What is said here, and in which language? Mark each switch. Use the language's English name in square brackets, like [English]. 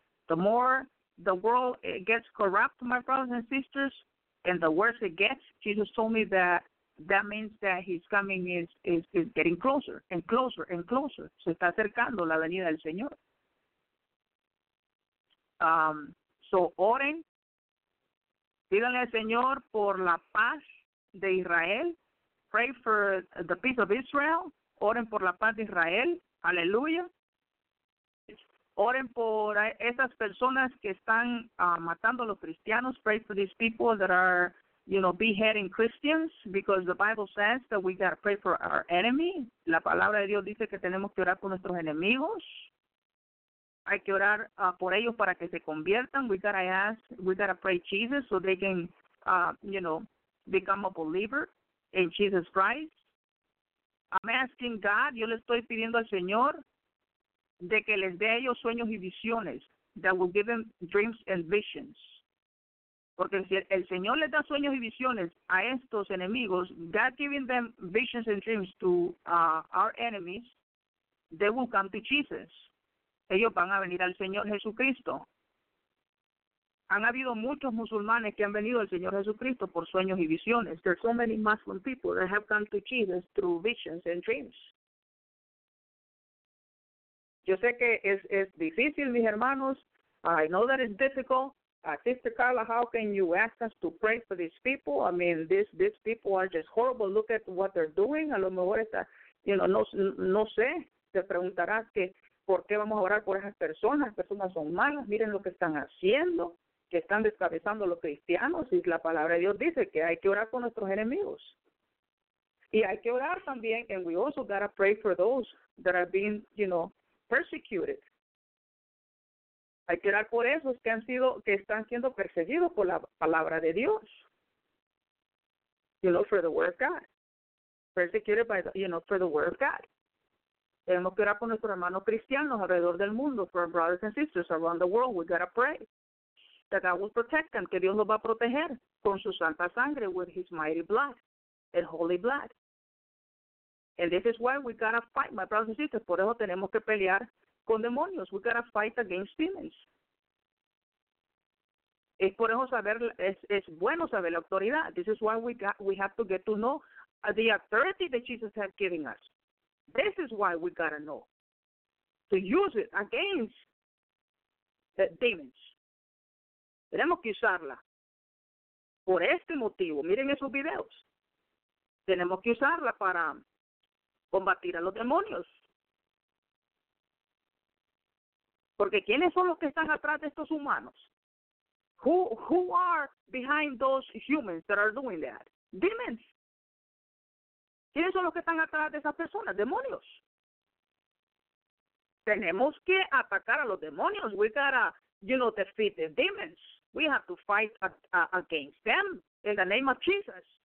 [English] The more the world gets corrupt, my brothers and sisters, and the worse it gets, Jesus told me that means that his coming is getting closer and closer and closer. [Spanish] Se está acercando la venida del Señor. So oren, pídanle al Señor por la paz de Israel. [English] Pray for the peace of Israel. [Spanish] Oren por la paz de Israel. Aleluya. Oren por esas personas que están matando a los cristianos. [English] Pray for these people that are, you know, beheading Christians, because the Bible says that we got to pray for our enemy. [Spanish] La palabra de Dios dice que tenemos que orar por nuestros enemigos. Hay que orar por ellos para que se conviertan. [English] We got to pray Jesus so they can, you know, become a believer in Jesus Christ. I'm asking God, [Spanish] yo le estoy pidiendo al Señor, de que les dé a ellos sueños y visiones, [English] that will give them dreams and visions. [Spanish] Porque si el Señor les da sueños y visiones a estos enemigos, [English] God giving them visions and dreams to our enemies, they will come to Jesus. [Spanish] Ellos van a venir al Señor Jesucristo. Han habido muchos musulmanes que han venido al Señor Jesucristo por sueños y visiones. [English] There's so many Muslim people that have come to Jesus through visions and dreams. [Spanish] Yo sé que es difícil, mis hermanos. [English] I know that it's difficult. Sister Carla, how can you ask us to pray for these people? I mean, these people are just horrible. Look at what they're doing. [Spanish] A lo mejor está, [English] you know, [Spanish] no sé. Te preguntarás que por qué vamos a orar por esas personas. Las personas son malas. Miren lo que están haciendo, que están descabezando a los cristianos. Y la palabra de Dios dice que hay que orar por nuestros enemigos. Y hay que orar también, [English] and we also got to pray for those that have been, you know, persecuted. [Spanish] Hay que orar por esos que están siendo perseguidos por la palabra de Dios. [English] You know, for the word of God. Persecuted by the, you know, for the word of God. [Spanish] Tenemos que orar por nuestros hermanos cristianos alrededor del mundo, [English] for our brothers and sisters around the world. We gotta pray that God will protect them, [Spanish] que Dios los va a proteger con su santa sangre, [English] with his mighty blood and holy blood. And this is why we gotta fight, my brothers and sisters. [Spanish] Por eso tenemos que pelear con demonios. [English] We gotta fight against demons. [Spanish] Es por eso saber, es bueno saber la autoridad. [English] This is why we have to get to know the authority that Jesus has given us. This is why we gotta know to use it against the demons. [Spanish] Tenemos que usarla. Por este motivo, miren esos videos. Tenemos que usarla para combatir a los demonios. Porque ¿quiénes son los que están atrás de estos humanos? [English] Who are behind those humans that are doing that? Demons. [Spanish] ¿Quiénes son los que están atrás de esas personas? Demonios. Tenemos que atacar a los demonios. [English] We gotta, you know, defeat the demons. We have to fight against them in the name of Jesus.